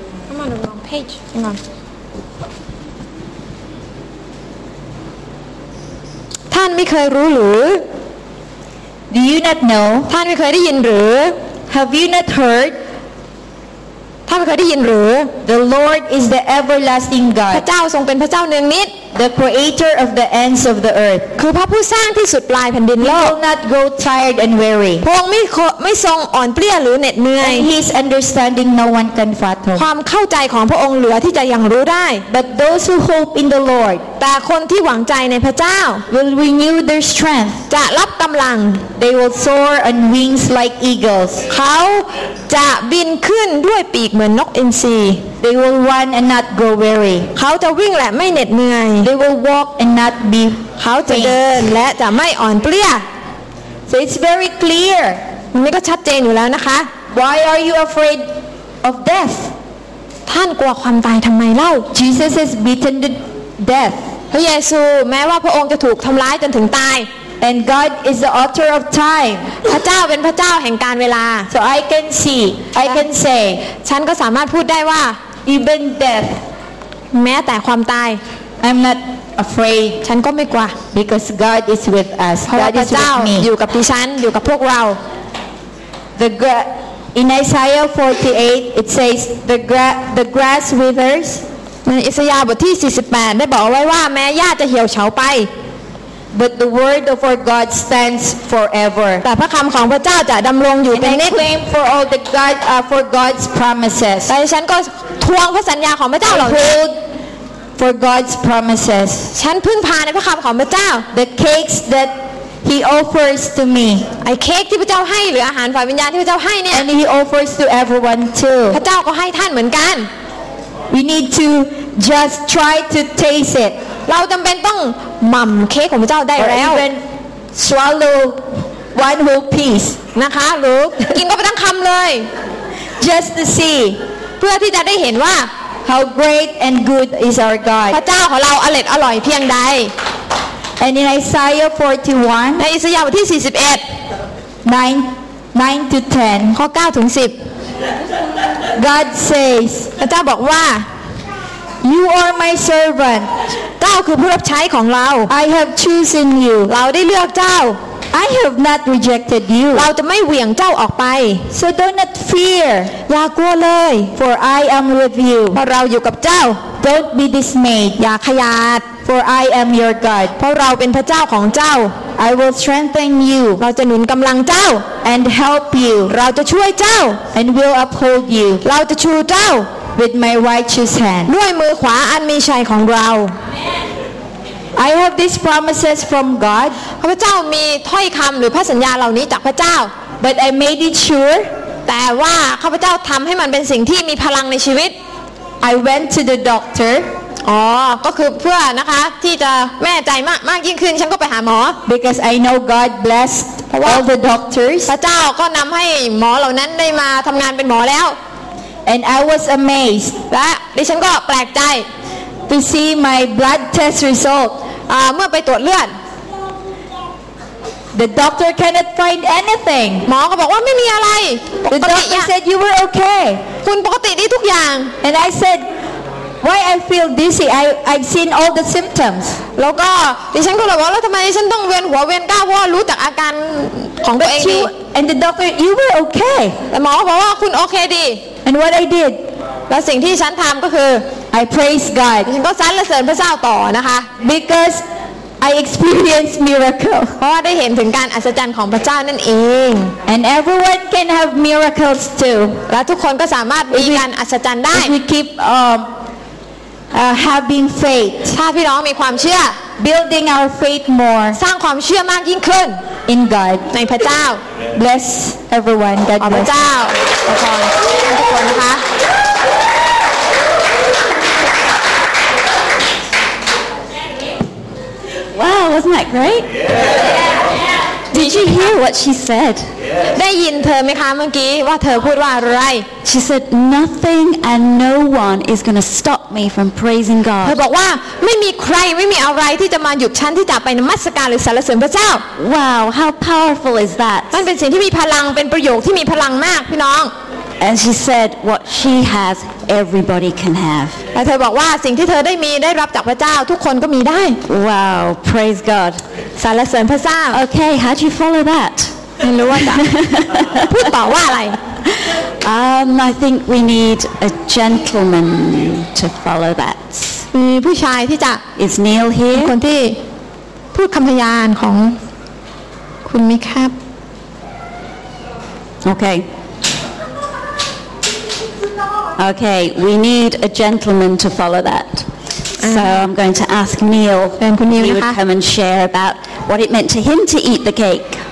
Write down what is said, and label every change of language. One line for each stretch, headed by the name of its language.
English: I'm on the wrong page hang on
Thai: ท่านไม่เคยรู้หรือ
English: Do you not know
Thai: ท่านไม่เคยได้ยินหรือ
English: Have you not heard
Thai: ท่านไม่เคยได้ยินหรือ
English: The Lord is the everlasting God
Thai: พระเจ้าทรงเป็นพระเจ้าเนืองนิด
English: The creator of the ends of the earth
Thai: คือพระผู้สร้างที่สุดปลายแผ่นดินโลก
English: He will not grow tired and weary
Thai: พระองค์ไม่ทรงอ่อนเปลี้ยหรือเหน็ดเหนื่อย
English: He is understanding no one can fathom
Thai: ความเข้าใจของพระองค์เหลือที่จะยังรู้ได้
English: But those who hope in the Lord
Thai: แต่คนที่หวังใจในพระเจ้า
English: Will renew their strength
Thai: จะรับกำลัง
English: They will soar on wings like eagles
Thai: เขาจะบินขึ้นด้วยปีกเหมือนนกอินทรี
English: They will run and not grow weary
Thai: เขาจะวิ่งและไม่เหน็ดเหนื่อย
English: They will walk and not be
Thai: เขาจะเดินและจะไม่อ่อนเปลี้ย
English: So it's very clear
Thai: มันก็ชัดเจนอยู่แล้วนะคะ
English: Why are you afraid of death
Thai: ท่านกลัวความตายทำไมเล่า
English: Jesus has beaten the death
Thai: พระเยซูแม้ว่าพระองค์จะถูกทำร้ายจนถึงตาย
English: And God is the author of time.
Thai: พระเจ้าเป็นพระเจ้าแห่งกาลเวลา
English: So I can see, I can say.
Thai: ฉันก็สามารถพูดได้ว่า
English: Even death,
Thai: แม้แต่ความตาย
English: I'm not afraid.
Thai: ฉันก็ไม่กลัว
English: Because God is with us.
Thai: พระเจ้าอยู่กับดิฉันอยู่กับพวกเรา
English: The grass in Isaiah 48 it says the grass withers.
Thai: ในอิสยาห์บทที่48ได้บอกไว้ว่าแม้หญ้าจะเหี่ยวเฉาไป
English: But the word of our God stands forever.
Thai: แต่พระคำของพระเจ้าจะดำรงอยู่เป็นนิจ
English: Claim for all the God for God's promises.
Thai: แต่ฉันก็ทวงพระสัญญาของพระเจ้าเหล่านั้น
English: Hold for God's promises.
Thai: ฉันพึ่งพาในพระคำของพระเจ้า
English: The cakes that He offers to me.
Thai: ไอ้เค้กที่พระเจ้าให้หรืออาหารฝ่ายวิญญาณที่พระเจ้าให้เนี่ย
English: And He offers to everyone too.
Thai: พระเจ้าก็ให้ท่านเหมือนกัน
English: We need to just try to taste it.
Thai: เราจำเป็นต้องหม่ำเค้กของพระเจ้าได้แล้ว
English: Or even swallow one whole piece
Thai: นะคะลูกกินก็ไม่ต้องคำเลย
English: Just to see
Thai: เพื่อที่จะได้เห็นว่า
English: How great and good is our God
Thai: พระเจ้าของเราอร่อยอร่อยเพียงใด
English: And in Isaiah 41
Thai: ในอิสยาห์บทที่41
English: 9 to 10
Thai: ข้อ9ถึง10
English: God says
Thai: พระเจ้าบอกว่า
English: You are my servant.
Thai: เจ้าคือผู้รับใช้ของเรา
English: I have chosen you.
Thai: เราได้เลือกเจ้า
English: I have not rejected you.
Thai: เราจะไม่เหวี่ยงเจ้าออกไป
English: So do not fear.
Thai: อย่ากลัวเลย
English: For I am with you.
Thai: เพราะเราอยู่กับเจ้า
English: Don't be dismayed.
Thai: อย่าขยาด
English: For I am your God.
Thai: เพราะเราเป็นพระเจ้าของเจ้า
English: I will strengthen you.
Thai: เราจะหนุนกำลังเจ้า
English: And help you.
Thai: เราจะช่วยเจ้า
English: And will uphold you.
Thai: เราจะชูเจ้า
English: With my righteous hand.
Thai: ด้วยมือขวาอันมีชัยของเรา
English: I have these promises from God.
Thai: พระเจ้ามีถ้อยคำหรือพระสัญญาเหล่านี้จากพระเจ้า
English: But I made it sure.
Thai: แต่ว่าข้าพเจ้าทำให้มันเป็นสิ่งที่มีพลังในชีวิต
English: I went to the doctor
Thai: ก็คือเพื่อนะคะที่จะแม่ใจมากยิ่งขึ้นฉันก็ไปหาหมอ
English: because I know God blessed all the doctors
Thai: พระเจ้าก็นำให้หมอเหล่านั้นได้มาทำงานเป็นหมอแล้ว
English: and I was amazed
Thai: และดิฉันก็แปลกใจ
English: to see my blood test result
Thai: เมื่อไปตรวจเลือด
English: The doctor cannot find anything.
Thai: หมอก็บอกว่าไม่มีอะไร
English: The doctor said you were okay.
Thai: คุณปกติดีทุกอย่าง
English: And I said, why I feel dizzy? I've seen all the symptoms.
Thai: แล้วก็ดิฉันก็เลยว่าแล้วทำไมดิฉันต้องเวียนหัวเวียนก้าวเพราะรู้จากอาการของตัวเองดี
English: And the doctor, you were okay.
Thai: แต่หมอบอกว่าคุณโอเคดี
English: And what I did?
Thai: และสิ่งที่ฉันทำก็คือ
English: I praise God.
Thai: ฉันก็สรรเสริญพระเจ้าต่อนะคะ
English: BecauseI experienced miracle.
Thai: เพราะได้เห็นถึงการอัศจรรย์ของพระเจ้านั่นเอง
English: And everyone can have miracles too.
Thai: และทุกคนก็สามารถมีการอัศจรรย์ได้
English: If we keep having faith.
Thai: ถ้าพี่น้องมีความเชื่อ
English: building our faith more.
Thai: สร้างความเชื่อมากยิ่งขึ้น
English: in God.
Thai: ในพระเจ้า
English: Bless everyone. God bless.
Thai: พระเจ้าขอบคุณทุกคนนะคะ
English: Wow, wasn't that great? Yeah. Did you hear what she said?
Thai: ได้ยินเธอไหมคะเมื่อกี้ว่าเธอพูดว่าอะไร
English: She said nothing and no one is going to stop me from praising God.
Thai: เธอบอกว่าไม่มีใครไม่มีอะไรที่จะมาหยุดฉันที่จะไปนมัสการหรือสรรเสริญพระเจ้า
English: Wow, how powerful is that?
Thai: มันเป็นสิ่งที่มีพลังเป็นประโยคที่มีพลังมากพี่น้อง
English: And she said what she has everybody can have.
Thai: แต่เธอบอกว่าสิ่งที่เธอได้มีได้รับจากพระเจ้าทุกคนก็มีได้
English: Wow, praise God.
Thai: สรรเสริญพระเจ้า
English: Okay, how do you follow that?
Thai: ไม่รู้ว่าจะพูดต่อว่าอะไร
English: I think we need a gentleman to follow that
Thai: มีผู้ชายที่จะ
English: Is Neil here
Thai: คนที่พูดคำพยานของคุณมิคครับ
English: โอเคโอเค we need a gentleman to follow that so I'm going to ask Neil
Thai: คุณ Neil
English: would come and share about what it meant to him to eat the cake